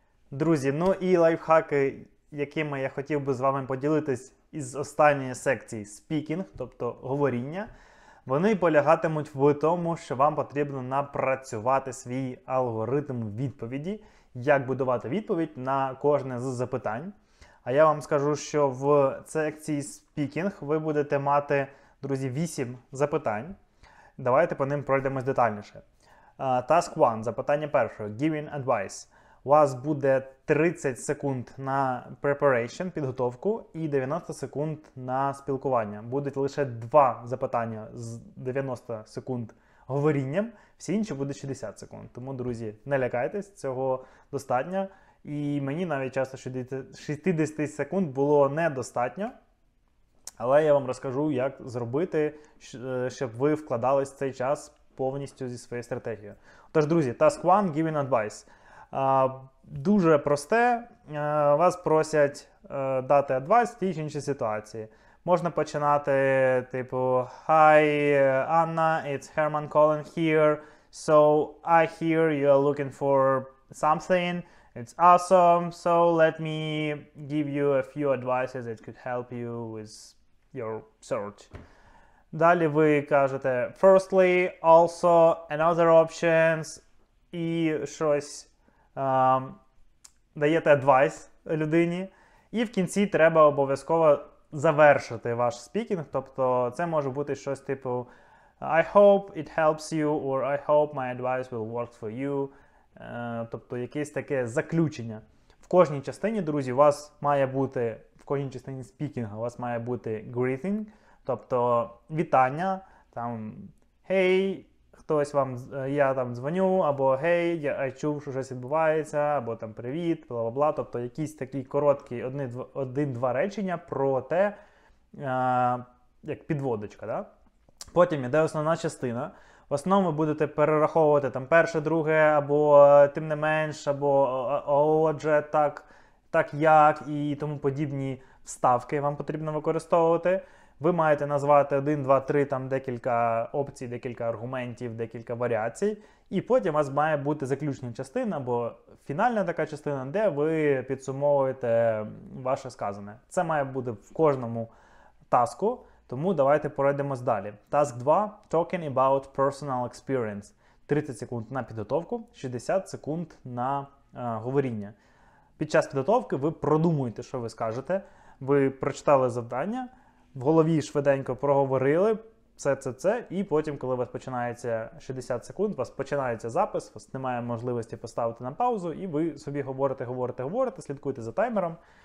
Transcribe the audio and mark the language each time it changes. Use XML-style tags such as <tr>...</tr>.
<uk>Друзі, ну і лайфхаки, якими я хотів би з вами поділитись із останньої секції speaking, тобто говоріння, вони полягатимуть в тому, що вам потрібно напрацювати свій алгоритм відповіді, як будувати відповідь на кожне з запитань. А я вам скажу, що в секції speaking ви будете мати, друзі, 8 запитань. Давайте по ним пройдемось детальніше.</uk> <en>Task one,</en> <uk>запитання перше,</uk> <en>giving advice.</en> <uk>У вас буде 30 секунд на preparation, підготовку, і 90 секунд на спілкування. Будуть лише два запитання з 90 секунд говорінням, всі інші буде 60 секунд. Тому, друзі, не лякайтесь, цього достатньо. І мені навіть часто 60 секунд було недостатньо. Але я вам розкажу, як зробити, щоб ви вкладались в цей час повністю зі своєю стратегією. Тож, друзі,</uk> <en>task one, giving advice.</en> <uk>Дуже просте. Вас просять дати адвайс в тій чи іншій ситуації. Можна починати, типу,</uk> <en>Hi, Anna, it's Herman calling here. So, I hear you are looking for something. It's awesome. So, let me give you a few advices that could help you with your search.</en> <uk>Далі ви кажете,</uk> <en>firstly, also, another options,</en> <uk>і щось даєте адвайс людині. І в кінці треба обов'язково завершити ваш спікінг. Тобто це може бути щось типу</uk> <en>I hope it helps you or I hope my advice will work for you.</en> <uk>Тобто якесь таке заключення. В кожній частині, друзі, у вас має бути, в кожній частині спікінгу у вас має бути greeting, тобто вітання, там hey, хтось вам, я там дзвоню, або гей, я чув, що щось відбувається, або там привіт, бла-бла-бла. Тобто якісь такі короткі один-два речення про те, як підводочка. Да? Потім іде основна частина. В основному будете перераховувати там перше, друге, або тим не менш, або отже, так, так як, і тому подібні вставки вам потрібно використовувати. Ви маєте назвати 1, 2, 3, там декілька опцій, декілька аргументів, декілька варіацій. І потім у вас має бути заключна частина, або фінальна така частина, де ви підсумовуєте ваше сказане. Це має бути в кожному таску, тому давайте пройдемось далі.</uk> <en>Таск 2 – Talking about personal experience.</en> <uk>30 секунд на підготовку, 60 секунд на говоріння. Під час підготовки ви продумуєте, що ви скажете, ви прочитали завдання, в голові швиденько проговорили це, і потім, коли у вас починається 60 секунд, у вас починається запис, у вас немає можливості поставити на паузу, і ви собі говорите, слідкуєте за таймером.</uk>